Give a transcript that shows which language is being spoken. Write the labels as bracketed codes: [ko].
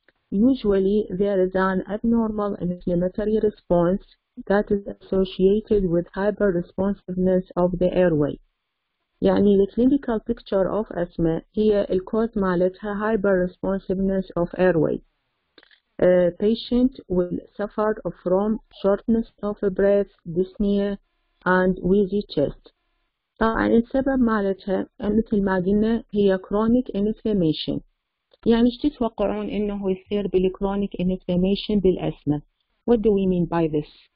[en] Usually, there is an abnormal inflammatory response that is associated with hyper-responsiveness of the airway. [ar] يعني [en] the clinical picture of asthma [ar] هي الكوز مالتها [en] hyper-responsiveness of airway. A patient will suffer from shortness of breath, dyspnea, and wheezy chest. [ar] طبعا السبب مالتها مثل ما قلنا هي chronic inflammation. يعني ايش تتوقعون انه يصير بالchronic inflammation بالأسمة؟ [en] What do we mean by this?